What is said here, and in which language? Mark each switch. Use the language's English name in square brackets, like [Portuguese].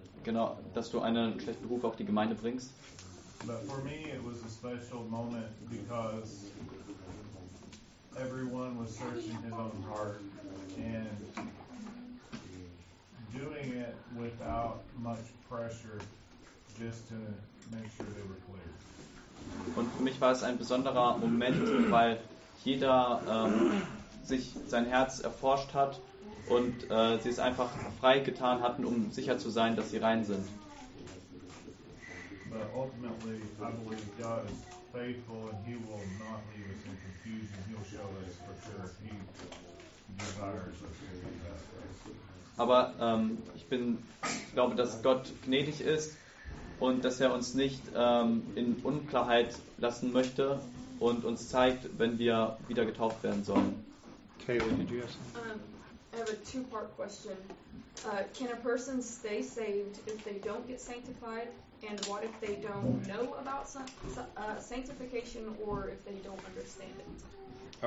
[German] Genau, dass du einen schlechten Ruf auf die Gemeinde bringst. [English] But for me it was a special moment because everyone was searching his own heart and doing it without much pressure. Just to make sure they were clear. [German] Und für mich war es ein besonderer Moment, weil jeder sich sein Herz erforscht hat und sie es einfach frei getan hatten, um sicher zu sein, dass sie rein sind. [English] But ultimately, I believe God is faithful and He will not leave us in confusion. He'll show us for sure if He desires us to be baptized. [German] Aber ich glaube, dass Gott gnädig ist. Und dass er uns nicht in Unklarheit lassen möchte und uns zeigt, wenn wir wieder getauft werden sollen. [English] Kayla, did you ask? I have a two-part question. Can a person stay saved if they don't get sanctified? And what if they don't know about sanctification or if they don't understand it?